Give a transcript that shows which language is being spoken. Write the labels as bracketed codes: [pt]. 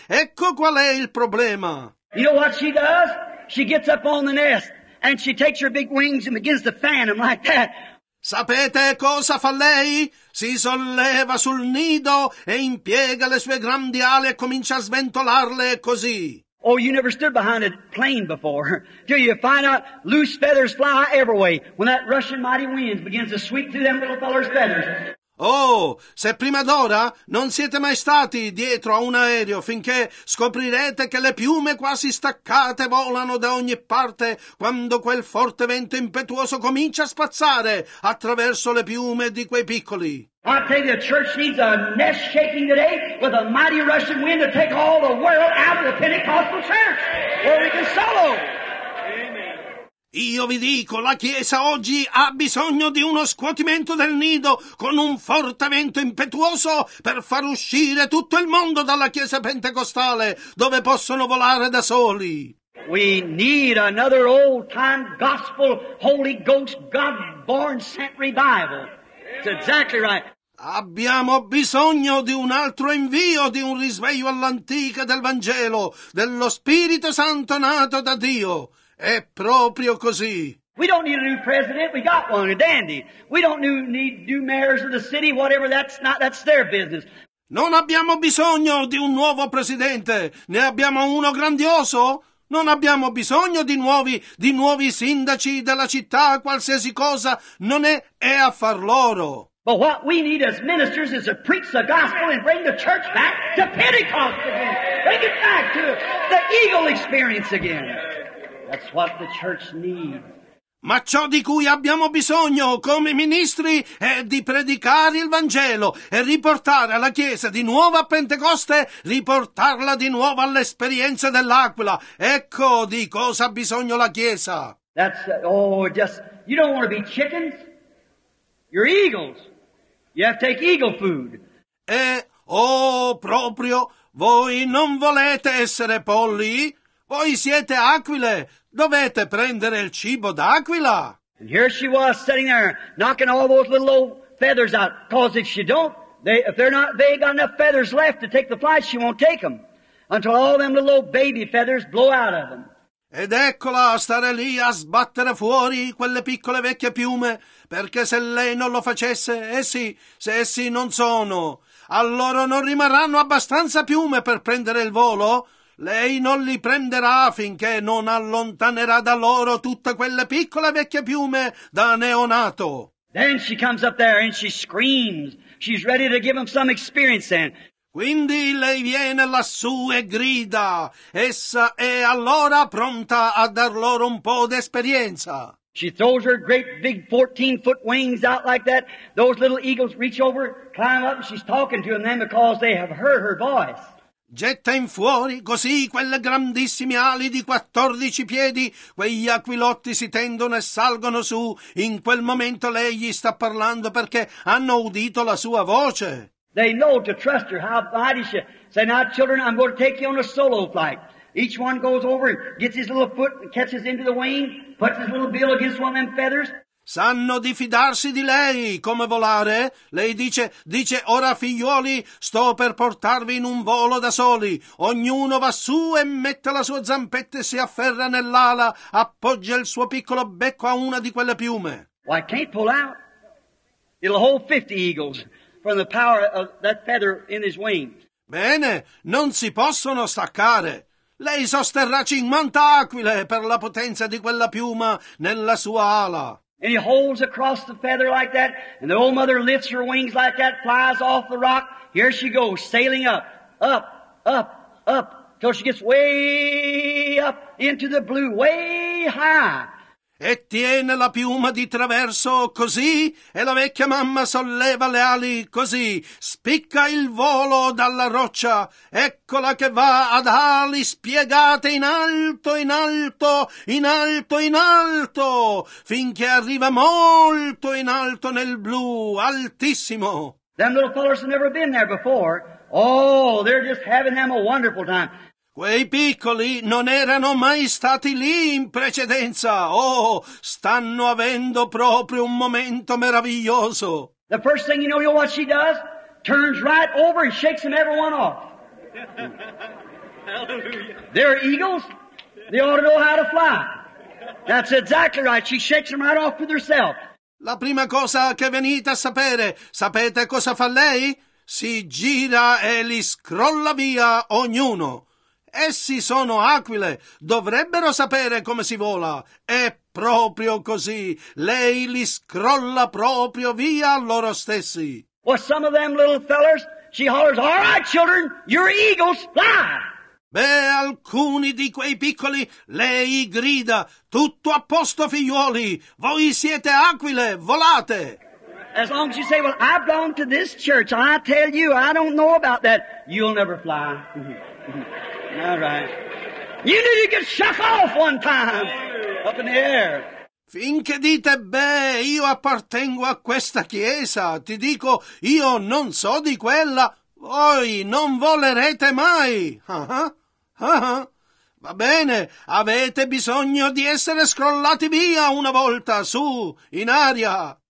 [it] Ecco qual è il problema. [en] You know what she does? She gets up on the nest and she takes her big wings and begins to fan them like that. [it] Sapete cosa fa lei? Si solleva sul nido e impiega le sue grandi ali e comincia a sventolarle così. [en] Oh, you never stood behind a plane before. Till you find out loose feathers fly every way when that rushing mighty wind begins to sweep through them little fellers' feathers. [it] Oh, se prima d'ora non siete mai stati dietro a un aereo finché scoprirete che le piume quasi staccate volano da ogni parte quando quel forte vento impetuoso comincia a spazzare attraverso le piume di quei piccoli. [en] I tell you, the church needs a nest shaking today with a mighty rushing wind to take all the world out of the Pentecostal church where we can solo. [it] Io vi dico, la Chiesa oggi ha bisogno di uno scuotimento del nido con un forte vento impetuoso per far uscire tutto il mondo dalla Chiesa Pentecostale, dove possono volare da soli. [en] We need another old time gospel, Holy Ghost, God-born sent revival. It's exactly right. [it] Abbiamo bisogno di un altro invio, di un risveglio all'antica del Vangelo, dello Spirito Santo nato da Dio. È proprio così. [en] We don't need a new president, we got one, a dandy. We don't need new mayors of the city, whatever, that's their business. [it] Non abbiamo bisogno di un nuovo presidente, ne abbiamo uno grandioso. Non abbiamo bisogno di nuovi sindaci della città, qualsiasi cosa, non è affar loro. [en] But what we need as ministers is to preach the gospel and bring the church back to Pentecost again. Bring it back to the eagle experience again. That's what the church needs. [it] Ma ciò di cui abbiamo bisogno come ministri è di predicare il Vangelo e riportare la Chiesa di nuovo a Pentecoste, riportarla di nuovo all'esperienza dell'Aquila. Ecco di cosa ha bisogno la Chiesa. [en] You don't want to be chickens. You're eagles. You have to take eagle food. [it] Proprio, voi non volete essere polli? Voi siete aquile, dovete prendere il cibo d'aquila. [en] And here she was sitting there, knocking all those little old feathers out. Because if she don't, if they got enough feathers left to take the flies, she won't take them. Until all them little old baby feathers blow out of them. [it] Ed eccola stare lì a sbattere fuori quelle piccole vecchie piume, perché se lei non lo facesse, se essi non sono, allora non rimarranno abbastanza piume per prendere il volo? Lei non li prenderà finché non allontanerà da loro tutte quelle piccole vecchie piume da neonato. [en] Then she comes up there and she screams. She's ready to give them some experience then. [it] Quindi lei viene lassù e grida. Essa è allora pronta a dar loro un po' d'esperienza. [en] She throws her great big 14-foot wings out like that. Those little eagles reach over, climb up, and she's talking to them because they have heard her voice. [it] Getta in fuori così quelle grandissime ali di 14 piedi, quegli aquilotti si tendono e salgono su, in quel momento lei gli sta parlando perché hanno udito la sua voce. [en] They know to trust her, how mighty she. Say, now children, I'm going to take you on a solo flight. Each one goes over and gets his little foot and catches into the wing, puts his little bill against one of them feathers. [it] Sanno di fidarsi di lei, come volare? Lei dice, ora figliuoli, sto per portarvi in un volo da soli. Ognuno va su e mette la sua zampetta e si afferra nell'ala, appoggia il suo piccolo becco a una di quelle piume. [en] Well, I can't pull out. It'll hold 50 eagles from the power of that feather in his wing. [it] Bene, non si possono staccare. Lei sosterrà 50 aquile per la potenza di quella piuma nella sua ala. [en] And he holds across the feather like that, and the old mother lifts her wings like that, flies off the rock. Here she goes, sailing up, up, up, up, till she gets way up into the blue, way high. [it] E tiene la piuma di traverso così, e la vecchia mamma solleva le ali così, spicca il volo dalla roccia, eccola che va ad ali spiegate in alto, in alto, in alto, in alto, finché arriva molto in alto nel blu, altissimo. [en] Them little fellows have never been there before. Oh, they're just having them a wonderful time. [it] Quei piccoli non erano mai stati lì in precedenza. Oh, stanno avendo proprio un momento meraviglioso. [en] The first thing you know what she does? Turns right over and shakes them everyone off. They're eagles. They ought to know how to fly. That's exactly right. She shakes them right off with herself. [it] La prima cosa che venite a sapere, sapete cosa fa lei? Si gira e li scrolla via ognuno. Essi sono aquile, dovrebbero sapere come si vola. È proprio così. Lei li scrolla proprio via loro stessi. [en] Well, some of them little fellers, she hollers, "All right, children, you're eagles, fly!" [it] Beh, alcuni di quei piccoli, lei grida, "Tutto a posto, figliuoli, voi siete aquile, volate!" [en] As long as you say, "Well, I belong to this church, I tell you, I don't know about that, you'll never fly." All right. You knew you could shuck off one time up in the air. [it] Finché dite, beh, io appartengo a questa chiesa, ti dico, io non so di quella, voi non volerete mai. Va bene, avete bisogno di essere scrollati via una volta, su, in aria.